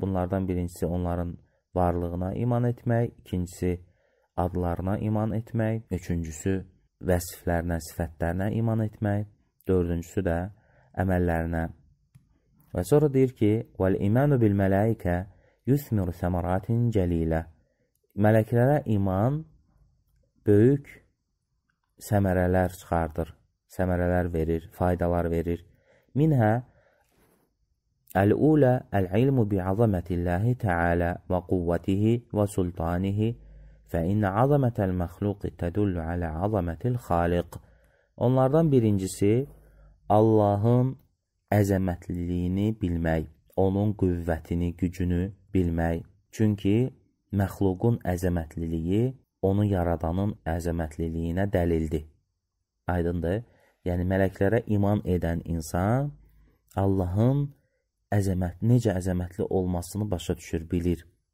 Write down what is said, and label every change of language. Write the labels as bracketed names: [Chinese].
[Azerbaijani] Bunlardan birincisi onların varlığına iman etmək, ikincisi adlarına iman etmək, üçüncüsü vəsiflərinə, sifətlərinə iman etmək, dördüncüsü də əməllərinə. Və sonra deyir ki, [Arabic] وَالْاِمَنُ بِالْمَلَائِكَ يُثْمِرُ سَمَرَاتٍ جَلِيلًا [Azerbaijani] Mələklərə iman böyük səmərələr çıxardır, səmərələr verir, faydalar verir. [Arabic] مِنْهَا الْاُولَ الْعِلْمُ بِعَظَمَةِ اللَّهِ تَعَالَى وَقُوَّتِهِ وَسُلْطَانِهِ فَإِنَّ عَظَمَةَ الْمَخْلُوقِ تَدُلُّ عَلَى عَظَمَةِ الْخَالِقِ [Azerbaijani] Onlardan birincisi, Allahın əzəmətliliyini bilmək, onun qüvvətini, gücünü bilmək. Çünki məxluqun əzəmətliliyi onu yaradanın əzəmətliliyinə dəlildir. Aydındır. Yəni, mələklərə iman edən insan Allahın necə əzəmətli olmasını başa düşür, bilir.